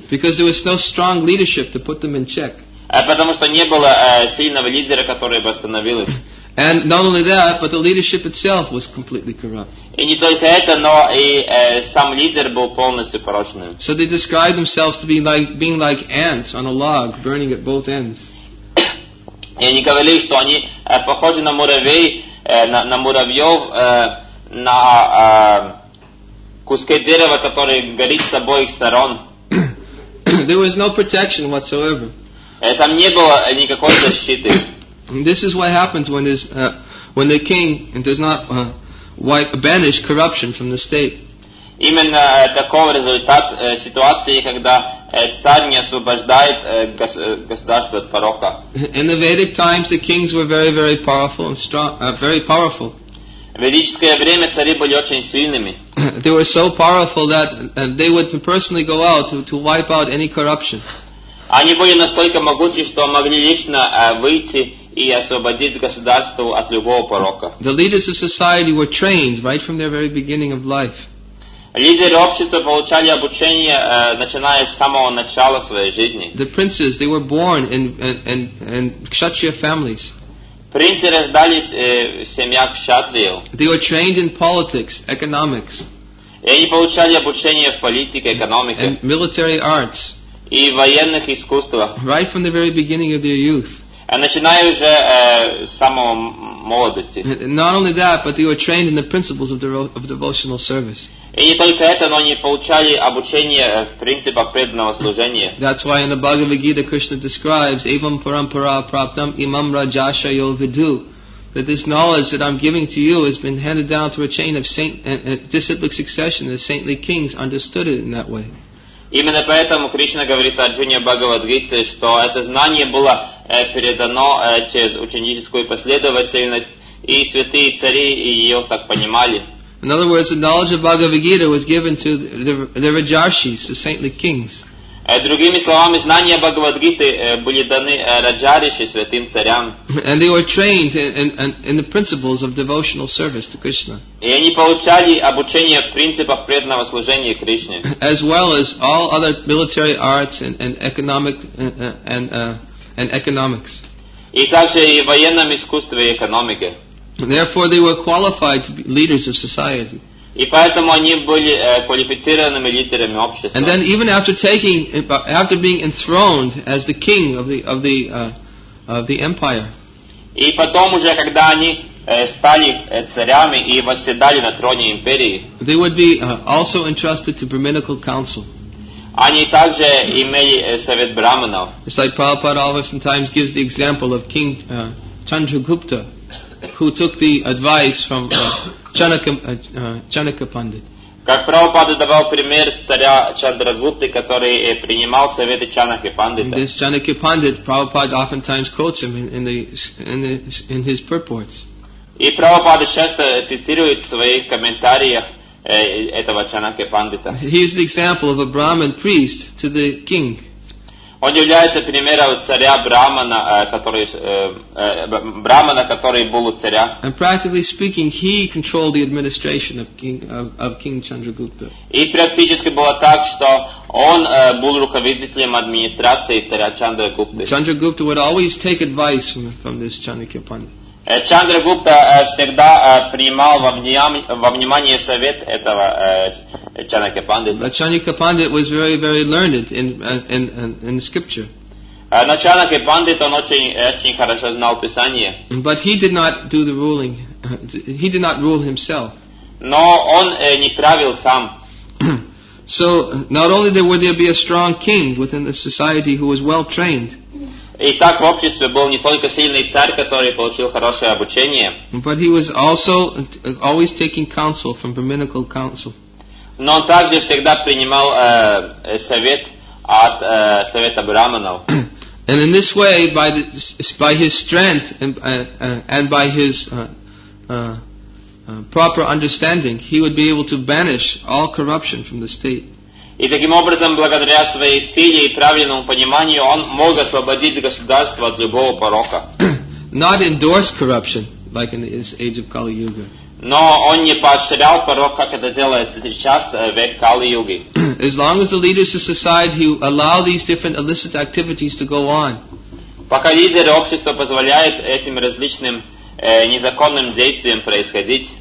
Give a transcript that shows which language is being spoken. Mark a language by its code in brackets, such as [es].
[en] Because there was no strong leadership to put them in check. [ru] Потому что не было сильного лидера, который бы остановил их. [en] And not only that, but the leadership itself was completely corrupt. [ru] И не только это, но и сам лидер был полностью порочным. [en] So they described themselves to be like being like ants on a log, burning at both ends. [ru] И они говорили, что они похожи на муравей, на муравьев, на куске дерева, который горит с обоих сторон. [en] There was no protection whatsoever. [ru] Там не было никакой защиты. [en] This is what happens when when the king does not banish corruption from the state. [ru] Именно такой результат ситуации, когда царь не освобождает государство от порока. [en] In the Vedic times, the kings were very, very powerful and strong, very powerful. [ru] В ведическое время цари были очень сильными. [en] They were so powerful that they would personally go out to wipe out any corruption. [ru] Они были настолько могучи, что могли лично выйти и освободить государство от любого порока. [en] The leaders of society were trained right from their very beginning of life. [ru] Лидеры общества получали обучение, начиная с самого начала своей жизни. [en] The princes, they were born in kshatriya families. [ru] Принцы рождались в семьях кшатриев. [en] They were trained in politics, economics. [ru] И они получали обучение в политике, экономике. [en] And military arts. [ru] И военных искусствах. [en] Right from the very beginning of their youth. [ru] А начиная уже с самого молодости. [en] Not only that, but they were trained in the principles of devotional service. [ru] И не только это, но они получали обучение в принципах преданного служения. [en] That's why in the Bhagavad Gita Krishna describes [sa] evam parampara praptam imam rajasya yo vidu, [en] that this knowledge that I'm giving to you has been handed down through a chain of saint disciplic succession. The saintly kings understood it in that way. [ru] Именно поэтому Кришна говорит Арджуне Бхагавадгите, что это знание было передано через ученическую последовательность, и святые цари ее так понимали. [en] In other words, the knowledge of Bhagavad Gita was given to the Rajarshis, the saintly kings. [ru] Другими словами, знания Бхагавадгиты были даны Раджариши, святым царям. [en] And they were trained in the principles of devotional service to Krishna. [ru] И они получали обучение в принципах преданного служения Кришне. [en] As well as all other military arts and economics. [ru] И также и в военном искусстве и экономике. [en] Therefore, they were qualified to be leaders of society. [ru] И поэтому они были квалифицированными лидерами общества. [en] And then even after being enthroned as the king of the empire. [ru] И потом уже когда они стали царями и восседали на троне империи. [en] They would be also entrusted to brahminical council. [ru] Они также имели совет брахманов. [en] It's like Prabhupada always sometimes gives the example of King Chandragupta, who took the advice from Chanaka Pandit. [ru] Как Прабхупада давал пример царя Чандрагупты, который принимал советы Чанаки Пандита. [en] This Chanaka Pandit, Prabhupada oftentimes quotes him in his purports. [ru] И Прабхупада часто цитирует в своих комментариях этого Чанаки Пандита. [en] He is the example of a Brahmin priest to the king. [ru] Он является примером царя брахмана, который был у царя. [en] And practically speaking, he controlled the administration of King Chandragupta. [ru] И практически было так, что он был руководителем администрации царя Чандрагупты. [en] Chandragupta would always take advice from this Chanakya Pandit. [ru] Чандрагупта всегда принимал во внимание совет этого Чанакья Пандита. [en] But Chanakya Pandit was very, very learned in scripture. [ru] Но Чанакья Пандит, он очень хорошо знал Писание. [en] But he did not do the ruling. He did not rule himself. [ru] Но он не правил сам. [en] So not only would there be a strong king within the society who was well trained. [ru] И так в обществе был не только сильный царь, который получил хорошее обучение. [en] But he was also always taking counsel from brahminical council. [ru] Но он также всегда принимал совет от совета брахманов. [en] And in this way, by his strength and by his proper understanding, he would be able to banish all corruption from the state. [ru] И таким образом, благодаря своей силе и правильному пониманию, он мог освободить государство от любого порока. [en] Not endorse corruption, like in this age of Kali Yuga. [ru] Но он не поощрял порок, как это делается сейчас в Кали-Юге. [en] As long as the leaders of society allow these different illicit activities to go on. [ru] Пока лидеры общества позволяют этим различным незаконным действиям происходить.